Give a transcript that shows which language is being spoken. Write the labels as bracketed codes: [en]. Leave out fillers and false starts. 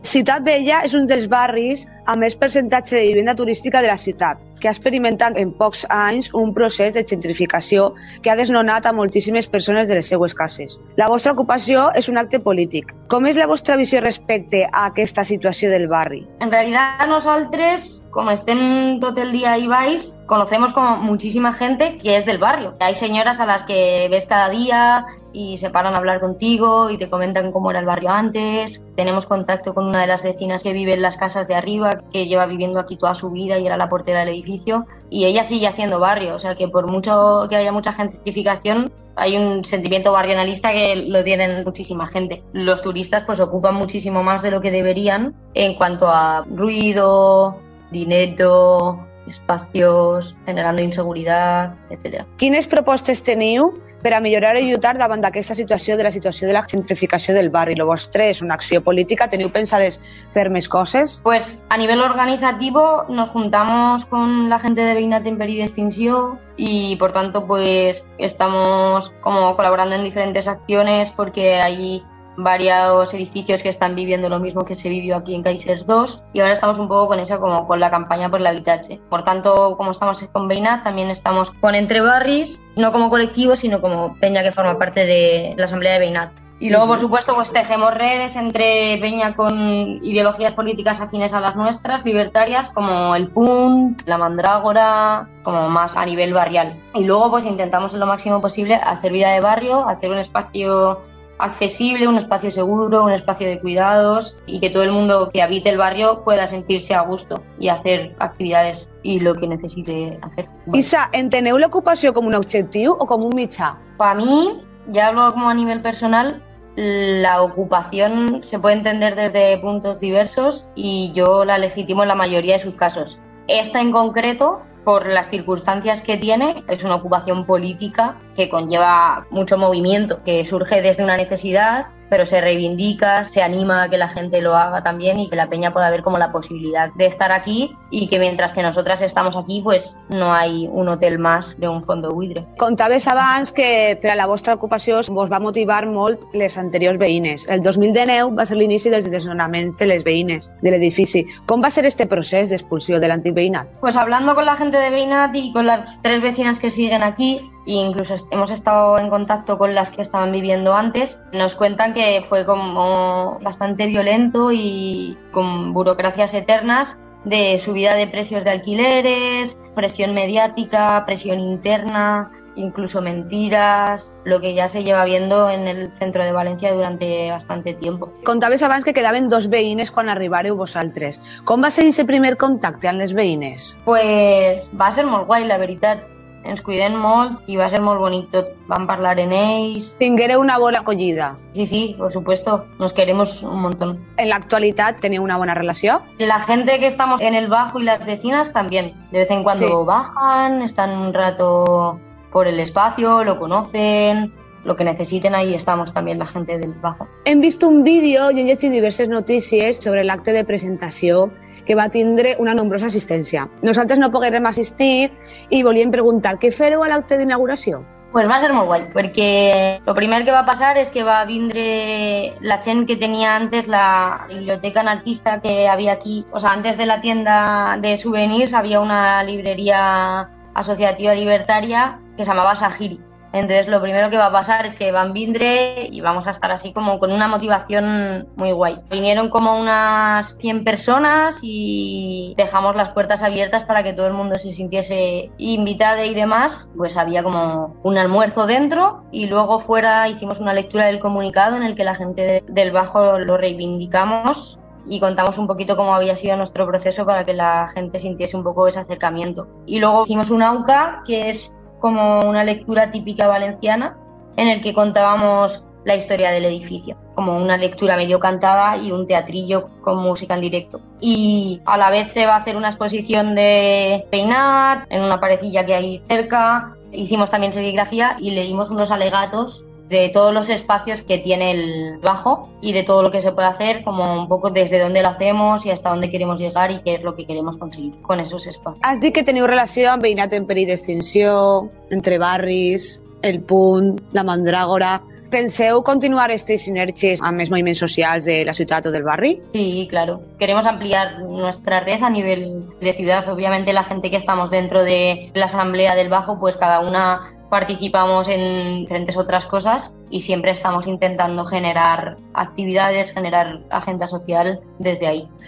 [ca] Ciutat Vella és un dels barris amb més percentatge de vivenda turística de la ciutat, que ha experimentat en pocs anys un procés de gentrificació que ha desnonat a moltíssimes persones de les seues cases. La vostra ocupació és un acte polític. Com és la vostra visió respecte a aquesta situació del barri? En realitat, nosaltres, com estem tot el dia ahí baix, [es] conocemos como muchísima gente que es del barrio. Hay señoras a las que ves cada día y se paran a hablar contigo y te comentan cómo era el barrio antes. Tenemos contacto con una de las vecinas que vive en las casas de arriba, que lleva viviendo aquí toda su vida y era la portera del edificio. Y ella sigue haciendo barrio, o sea que por mucho que haya mucha gentrificación, hay un sentimiento barrionalista que lo tienen muchísima gente. Los turistas pues ocupan muchísimo más de lo que deberían en cuanto a ruido, dinero, espacios generando inseguridad, etcétera. [ca] ¿Quines propostes teniu per a millorar i ajudar davant d'aquesta situació de la situació de la gentrificació del barri? Lo vostre és una acció política, teniu pensades fer més coses? [es] Pues a nivel organizativo nos juntamos con la gente de Veïnat en Perill d'Extinció y por tanto pues estamos como colaborando en diferentes acciones porque ahí varios edificios que están viviendo lo mismo que se vivió aquí en Caixers 2 y ahora estamos un poco con eso, como con la campaña por el habitatge. Por tanto, como estamos con Veïnat, también estamos con Entre Barris, no como colectivo, sino como peña que forma parte de la Asamblea de Veïnat. Y luego, por supuesto, pues tejemos redes entre peña con ideologías políticas afines a las nuestras, libertarias, como el PUNT, la Mandrágora, como más a nivel barrial. Y luego, pues intentamos en lo máximo posible hacer vida de barrio, hacer un espacio accesible, un espacio seguro, un espacio de cuidados y que todo el mundo que habite el barrio pueda sentirse a gusto y hacer actividades y lo que necesite hacer. Bueno. [ca] Isa, ¿enteneu l'ocupació com un objectiu o com un mitjà? [es] Para mí, ya hablo como a nivel personal, la ocupación se puede entender desde puntos diversos y yo la legitimo en la mayoría de sus casos. Esta en concreto, por las circunstancias que tiene, es una ocupación política que conlleva mucho movimiento, que surge desde una necesidad, pero se reivindica, se anima a que la gente lo haga también y que la peña pueda ver como la posibilidad de estar aquí y que mientras que nosotras estamos aquí, pues no hay un hotel más de un fondo buitre. [ca] Contaves abans que per a la vostra ocupació vos va motivar molt les anteriors veïnes. El 2019 va ser l'inici dels desnonaments de les veïnes de l'edifici. Com va ser este procés d'expulsió de l'antic veïnat? [es] Pues hablando con la gente de Veïnat y con las tres vecinas que siguen aquí, e incluso hemos estado en contacto con las que estaban viviendo antes, nos cuentan que fue como bastante violento y con burocracias eternas de subida de precios de alquileres, presión mediática, presión interna, incluso mentiras, lo que ya se lleva viendo en el centro de Valencia durante bastante tiempo. [ca] Contabes abans que quedaven dos veïnes quan arribareu vosaltres. Com va ser ese primer contacte amb les veïnes? Pues va ser molt guai, la veritat. Ens cuidem molt i va ser molt bonic tot. Vam parlar en ells. Tinguereu una bona acollida. [es] Sí, sí, por supuesto. Nos queremos un montón. [ca] En l'actualitat teniu una bona relació? La gent [es] que estamos en el bajo i les vecinas también. De vez en cuando sí. Bajan, están un rato por el espacio, lo conocen, lo que necesiten, ahí estamos también la gente del bajo. [ca] Hem vist un vídeo i hem llegit diverses notícies sobre l'acte de presentació que va tindre una nombrosa assistència. Nosaltres no poguérem assistir i volíem preguntar, què fereu a l'acte d'inauguració? Pues va a ser molt guai, perquè el primer que va passar és que va vindre la gent que tenia antes la biblioteca anarquista que havia aquí. [es] O sea, antes de la tienda de souvenirs [ca] havia una libreria associativa libertària que s'anava Sahiri. [es] Entonces lo primero que va a pasar es que van [ca] vindre [es] y vamos a estar así como con una motivación muy guay. Vinieron como unas 100 personas y dejamos las puertas abiertas para que todo el mundo se sintiese invitado y demás. Pues había como un almuerzo dentro y luego fuera hicimos una lectura del comunicado en el que la gente del bajo lo reivindicamos y contamos un poquito cómo había sido nuestro proceso para que la gente sintiese un poco ese acercamiento. Y luego hicimos un AUCA, que es como una lectura típica valenciana, en el que contábamos la historia del edificio, como una lectura medio cantada y un teatrillo con música en directo. Y a la vez se va a hacer una exposición de peinat en una parecilla que hay cerca. Hicimos también serigrafía y leímos unos alegatos de todos los espacios que tiene el bajo y de todo lo que se puede hacer, como un poco desde dónde lo hacemos y hasta dónde queremos llegar y qué es lo que queremos conseguir con esos espacios. [ca] Has dit que teniu relació amb Veïnat en perill d'extinció, Entre Barris, El Punt, La Mandràgora. ¿Penseu continuar [es] estas sinergias [ca] a més moviments socials de la ciutat o del barri? [es] Sí, claro. Queremos ampliar nuestra red a nivel de ciudad. Obviamente la gente que estamos dentro de la asamblea del bajo, pues cada una participamos en diferentes otras cosas y siempre estamos intentando generar actividades, generar agenda social desde ahí.